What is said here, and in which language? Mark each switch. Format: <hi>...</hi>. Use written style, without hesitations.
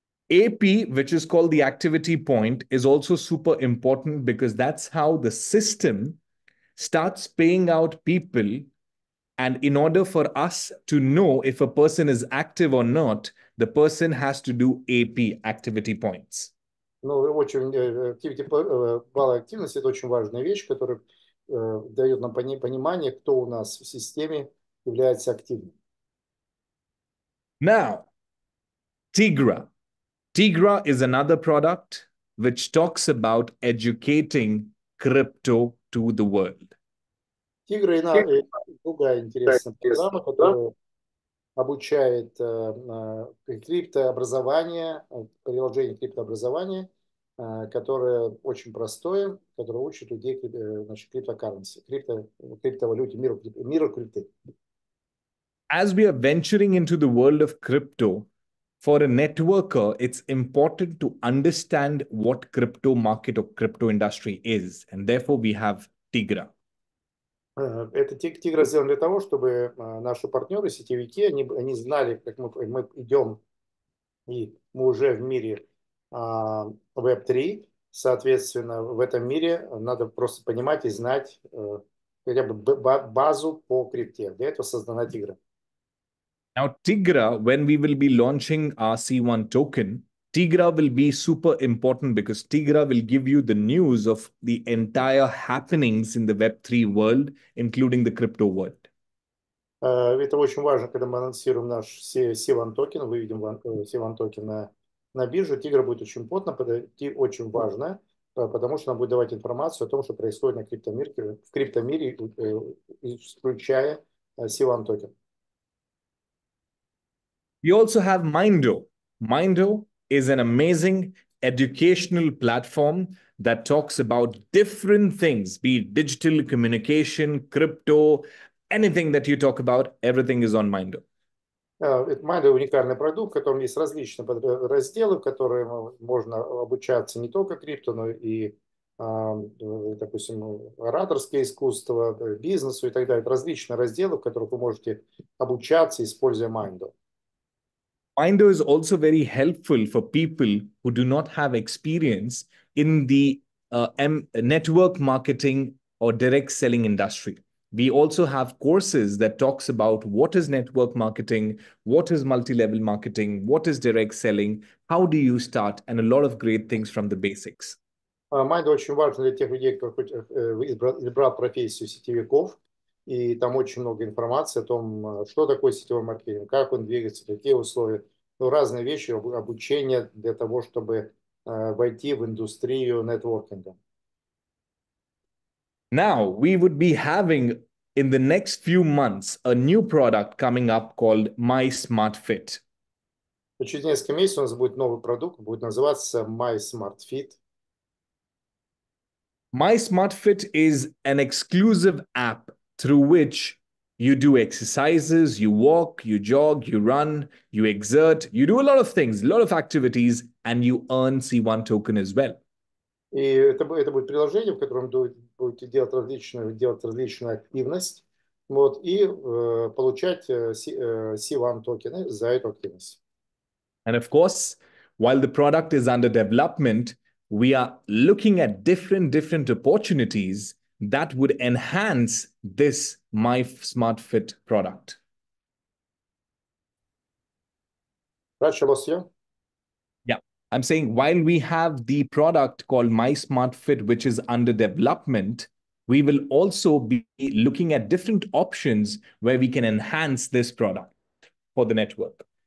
<en>AP, which is called the activity point, is also super important because that's how the system starts paying out people. And in order for us to know if a person is active or not, the person has to do AP, activity points.</en> <ru>Ну, очень активити баллы активности — это очень важная вещь, которая дает нам понимание, кто у нас в системе является активным.</ru> <en>Now, Tigra. Tigra is another product which talks about educating crypto to the world. Tigra is another interesting program that</en> <ru>обучает крипто образование, приложение крипто образования, которое очень простое, которое учит людей значит, криптокарнси, криптовалюте, миру крипты.</ru> <en>As we are venturing into the world of crypto, for a networker, it's important to understand what crypto market or crypto industry is, and therefore we have Tigra.</en> <ru>Это Tigra сделан для того, чтобы наши партнеры, сетевики, они знали, как мы идем, и мы уже в мире Web3. Соответственно, в этом мире надо просто понимать и знать хотя бы базу по крипте. Для этого создана Tigra.</ru> <en>Now, Tigra, when we will be launching our C1 token, Tigra will be super important because Tigra will give you the news of the entire happenings in the Web3 world, including the crypto world.</en> <ru>Это очень важно, когда мы анонсируем наш C1 токен, выведем C1 токен на биржу. Tigra будет очень плотно, очень важно, потому что она будет давать информацию о том, что происходит на криптомирке, в криптомире, включая C1 токен.</ru> <en>You also have Mindo. Mindo is an amazing educational platform that talks about different things, be it digital communication, crypto, anything that you talk about, everything is on Mindo.</en> <ru>Mindo уникальный продукт, в котором есть различные разделы, в котором можно обучаться не только крипто, но и, допустим, ораторское искусство, бизнесу и так далее. Различные разделы, в которых вы можете обучаться, используя Mindo.</ru> <en>Mindo is also very helpful for people who do not have experience in the network marketing or direct selling industry. We also have courses that talks about what is network marketing, what is multi-level marketing, what is direct selling, how do you start, and a lot of great things from the basics.</en> <ru>Mindo очень важен для тех людей, кто избрал профессию сетевиков. И там очень много информации о том, что такое сетевой маркетинг, как он двигается, какие условия. разные вещи, обучение для того, чтобы войти в индустрию нетворкинга.</ru> <en>Now, we would be having in the next few months a new product coming up called My Smart Fit.</en> <ru>Через несколько месяцев у нас будет новый продукт, будет называться My Smart Fit.</ru> <en>My Smart Fit is an exclusive app through which you do exercises, you walk, you jog, you run, you exert, you do a lot of things, a lot of activities, and you earn C1 token as well.</en> <ru>И это будет приложение, в котором будете делать различную активность, вот, и получать C1 токены за эту активность.</ru> <en>And of course, while the product is under development, we are looking at different opportunities that would enhance this My Smart Fit product. Yeah, I'm saying while we have the product called My Smart Fit, which is under development, we will also be looking at different options where we can enhance this product for the network.</en>